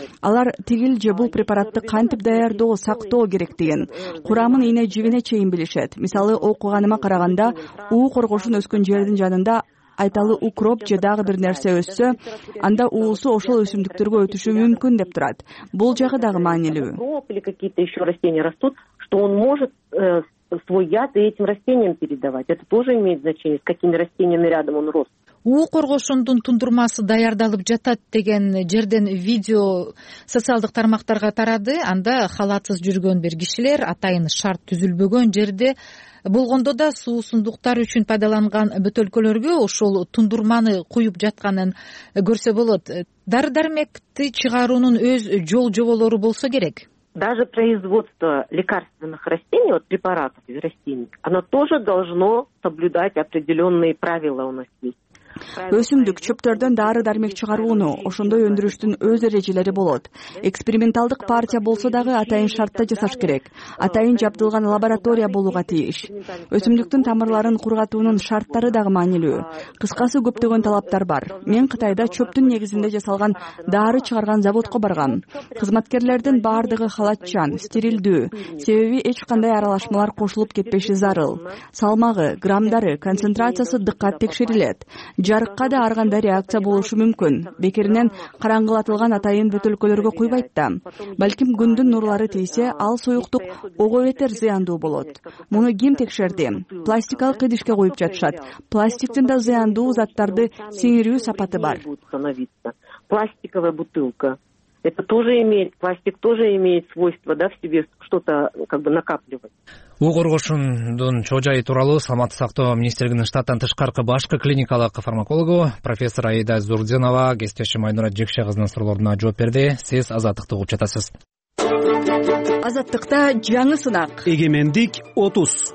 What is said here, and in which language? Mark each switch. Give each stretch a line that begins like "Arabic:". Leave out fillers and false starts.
Kyrgyz: Алар тигил же бул препаратты кантип даярдоо, сактоо керектигин, курамын ийне жибине чейин билишет. Мисалы, окуганыма караганда, уу коргошун өскөн жердин жанында айталы укроп же дагы бир нерсе өссө, анда уусу ошол өсүмдүктөргө өтүшү мүмкүн деп турат. Бул жагы дагы маанилүү.
Russian: Укроп или какие-то еще растения растут, что он может свой яд этим растениям передавать. Это тоже имеет значение, с какими растениями рядом он рос.
Kyrgyz: Уу коргошундун тундурмасы даярдалып жатат деген жерден видео социалдык тармактарга тарады. Анда халатсыз жүргөн бир кишилер атайын шарт түзүлбөгөн жерде болгондо да суусундуктар үчүн пайдаланган бөтөлкөлөргө ошол тундурманы куюп жатканын көрсө болот. Дары-дармекти чыгаруунун өз жол жоболору болсо керек.
Russian: Даже производство лекарственных растений, вот препаратов из растений, оно тоже должно соблюдать определенные правила у нас есть.
Kyrgyz: Өсүмдүк чөптөрдөн дары дармек чыгарууну ошондой өндүрүштүн өз эрежелери болот. Эксперименталдык партия болсо дагы атайын шартта жасаш керек. Атайын жабдылган лаборатория болууга тийиш. Өсүмдүктүн тамырларын кургатуунун шарттары дагы маанилүү. Кыскасы, көптөгөн талаптар бар. Мен Кытайда чөптүн негизинде жасалган дары чыгарган заводко баргам. Кызматкерлердин баардыгы халатчан, стерилдүү, себеби эч кандай аралашмалар кошулуп кетпеши зарыл. Салмагы, граммдары, концентрациясы дыккат текшерилет. Жарыкка да ар кандай реакция болушу мүмкүн. Бекеринен караңгылатылган атайын бөтөлкөлөргө куйбайт да. Балким күндүн нурлары тийсе, ал суюктук ого бетер зыяндуу болот. Муну ким текшерди? Пластикалык идишке куюп жатышат. Пластиктин да зыяндуу заттарды сиңирүү сапаты бар.
Russian: Пластиковая бутылка. Это тоже имеет, пластик тоже имеет свойство, да, в себе что-то как бы накапливать.
Kyrgyz: Уу коргошундун чоожайы тууралуу Саламаттык сактоо министрлигинин штаттан тышкаркы башкы клиникалык фармакологу профессор Аида Зурденова кесиптешим Айнура Жекше кызынын суроолоруна жооп берди. Сиз Азаттыкты угуп жатасыз. Азаттыкта жаңы сынак. Эгемендик 30.